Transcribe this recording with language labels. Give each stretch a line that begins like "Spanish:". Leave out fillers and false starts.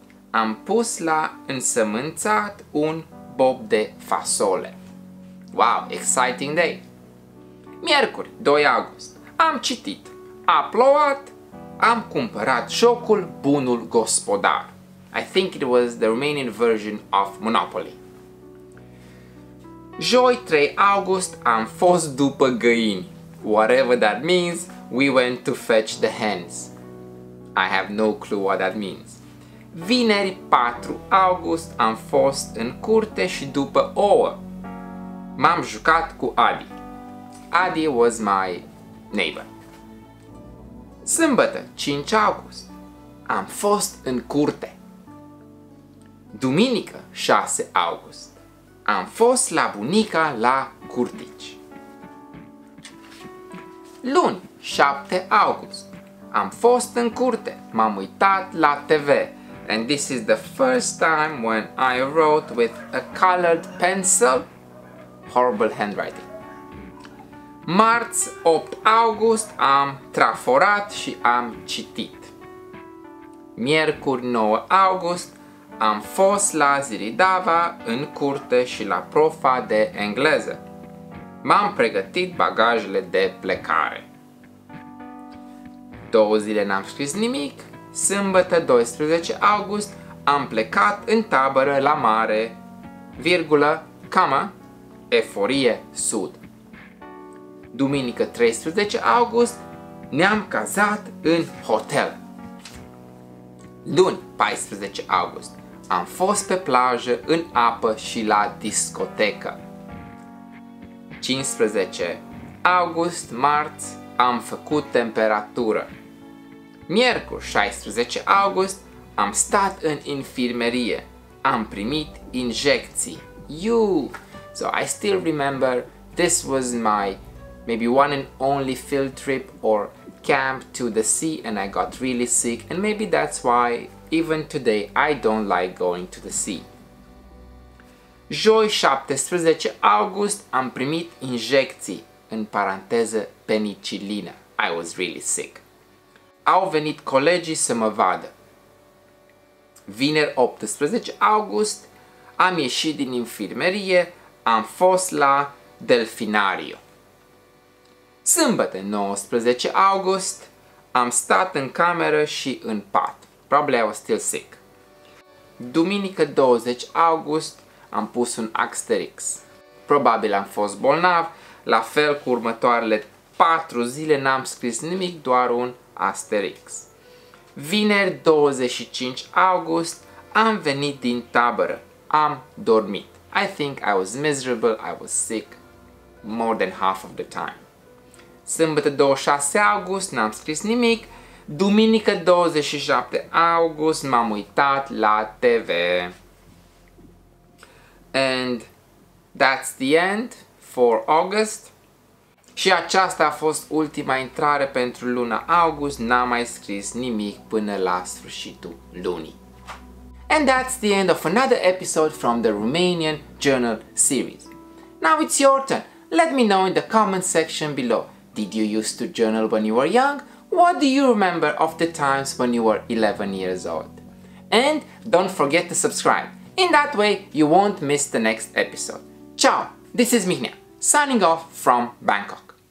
Romanian: Am pus la însămânțat un bob de fasole.
English: Wow, exciting day!
Romanian: Miercuri, 2 august. Am citit. A plouat. Am cumpărat jocul Bunul Gospodar.
English: I think it was the Romanian version of Monopoly. Joi, 3 august, am fost după găini. Whatever that means, we went to fetch the hens. I have no clue what that means.
Romanian: Vineri, 4 august, am fost în curte și după ouă. M-am jucat cu Adi.
English: Adi was my neighbor.
Romanian: Sâmbătă, 5 august, am fost în curte. Duminică, 6 august, am fost la bunica la curtici. Luni, 7 august, am fost în curte, m-am uitat la TV.
English: And this is the first time when I wrote with a colored pencil. Horrible handwriting.
Romanian: Marți, 8 august, am traforat și am citit. Miercuri, 9 august, am fost la Ziridava în curte și la profa de engleză. M-am pregătit bagajele de plecare. 2 zile n-am scris nimic. Sâmbătă, 12 august, am plecat în tabără la mare, virgulă, comma, eforie, sud. Duminică, 13 august, ne-am cazat în hotel. Luni, 14 august, am fost pe plajă, în apă și la discotecă. 15 august, marți, am făcut temperatură. Miercuri, 16 august, am stat în infirmerie. Am primit injecții. You!
English: So I still remember this was my maybe one and only field trip or camp to the sea and I got really sick and maybe that's why even today I don't like going to the sea.
Romanian: Joi, 17 august, am primit injecții, în paranteză penicilină.
English: I was really sick.
Romanian: Au venit colegii să mă vadă. Vineri, 18 august, am ieșit din infirmerie, am fost la delfinariu. Sâmbătă, 19 august, am stat în cameră și în pat.
English: Probably I was still sick.
Romanian: Duminică, 20 august, am pus un asterisk. Probabil am fost bolnav, la fel cu următoarele 4 zile n-am scris nimic, doar un asterisk. Vineri, 25 august, am venit din tabără. Am dormit.
English: I think I was miserable, I was sick more than half of the time.
Romanian: Sâmbătă, 26 august, n-am scris nimic. Duminică, 27 august, m-am uitat la TV.
English: And that's the end for August.
Romanian: Și aceasta a fost ultima intrare pentru luna august, n-am mai scris nimic până la sfârșitul lunii.
English: And that's the end of another episode from the Romanian Journal series. Now it's your turn. Let me know in the comment section below. Did you used to journal when you were young? What do you remember of the times when you were 11 years old? And don't forget to subscribe. In that way, you won't miss the next episode. Ciao! This is Mihnea, signing off from Bangkok.